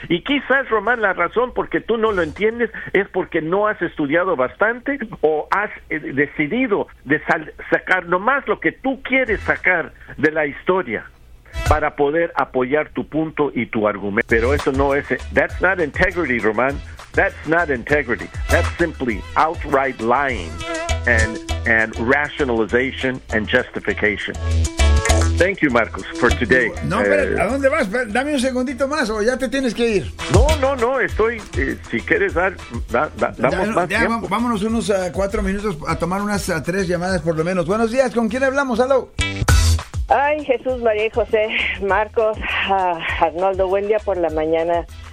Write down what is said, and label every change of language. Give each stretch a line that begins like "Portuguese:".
Spanish: Y quizás, Román, la razón porque tú no lo entiendes es porque no has estudiado bastante o has decidido de sacar nomás lo que tú quieres sacar de la historia para poder apoyar tu punto y tu argumento. Pero eso no es...
English: That's not integrity, Román. That's not integrity. That's simply outright lying and rationalization and justification. Thank you, Marcos, for today.
Spanish: No, pero ¿a dónde vas? Dame un segundito más o ya te tienes que ir. No, estoy... si quieres dar... damos más tiempo. Vámonos unos 4 minutos a tomar unas 3 llamadas por lo menos. Buenos días, ¿con quién hablamos? ¡Aló! Ay, Jesús, María y José, Marcos, Arnoldo, buen día por la mañana.